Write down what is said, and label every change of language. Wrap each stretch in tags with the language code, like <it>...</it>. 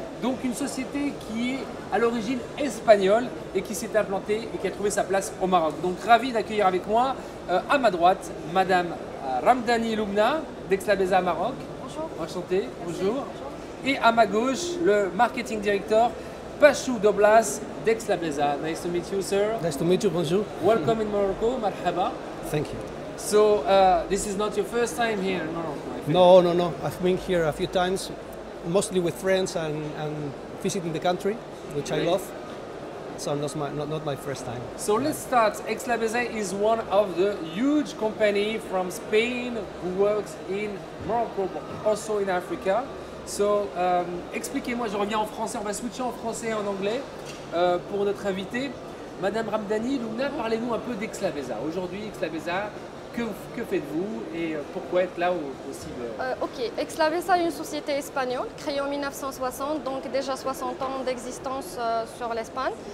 <fr>Donc une société qui est à l'origine espagnole et qui s'est implantée et qui a trouvé sa place au Maroc. Donc ravi d'accueillir avec moi, à ma droite, Madame Ramdani Loubna d'Exlabeza Maroc. Bonjour. Enchanté. Merci. Bonjour. Et à ma gauche, le marketing director Pachu Doblas d'Exlabeza.</fr> <en>Nice to meet you, sir. Nice to meet you, bonjour. Welcome in Morocco, marhaba. Thank you. So, this is not your first time here in Morocco, I think. No. I've been here a few times, mostly with friends and visiting the country, which I love. So, not my first time. So, let's start. Exlabeza is one of the huge company from Spain who works in Morocco, but also in Africa.</en> <fr>So, expliquez-moi, je reviens en français, on va switcher en français et en anglais pour notre invité. Madame Ramdani Loubna, parlez-nous un peu d'Exlabeza. Aujourd'hui, Exlabeza, que faites-vous et pourquoi être là aussi Exlabeza est une société espagnole créée en 1960, donc déjà 60 ans d'existence sur l'Espagne.</fr>